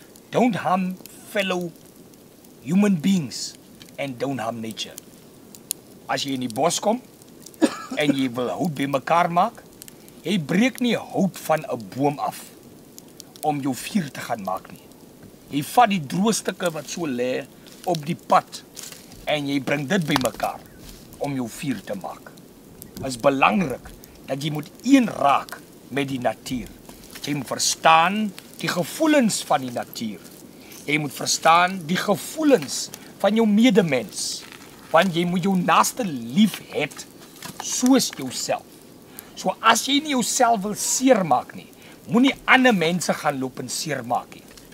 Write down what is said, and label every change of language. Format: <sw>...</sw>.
<en>Don't harm fellow human beings and don't harm nature.</en> <af>As jy in die bos kom en jy wil hout by mekaar maak, jy breek nie hout van 'n boom af om jou vuur te gaan maak nie. Jy vat die droë stukke wat so lê op die pad en jy bring dit by mekaar om jou vuur te maak. Dit is belangrik dat jy moet een raak met die natuur. Jy moet verstaan die gevoelens van die natuur. Jy moet verstaan die gevoelens van jou medemens. Want jy moet jou naaste lief het soos jouself. So as jy nie jouself wil seermaak nie, moenie ander mense gaan loop en seermaak nie.</af>